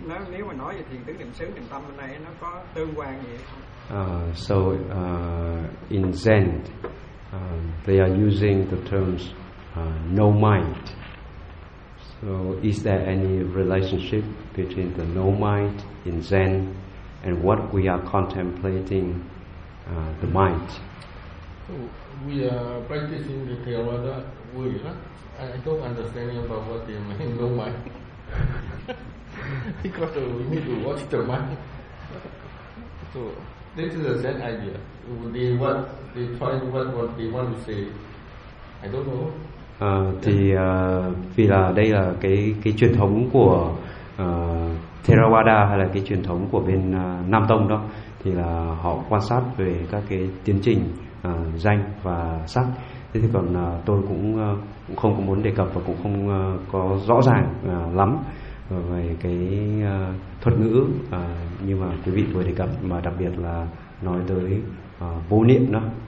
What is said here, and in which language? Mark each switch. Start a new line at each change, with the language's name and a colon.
Vietnamese: nếu mà nói về thiền tứ niệm xứ niệm tâm bên này nó có tương quan gì không?
English: In Zen, they are using the terms no mind. So is there any relationship between the no mind in Zen and what we are contemplating, the mind? So we are practicing the Theravada way, huh? I don't understand about what they mean, no mind. Because we need to watch the mind. So this is a Zen idea. They what they find what they want to say. I don't know.
Vietnamese: Thì vì là đây là cái truyền thống của Theravada hay là cái truyền thống của bên Nam Tông đó, thì là họ quan sát về các cái tiến trình danh và sắc. Thế thì còn tôi cũng không có muốn đề cập và cũng không có rõ ràng lắm về cái thuật ngữ như mà quý vị vừa đề cập, mà đặc biệt là nói tới vô niệm đó.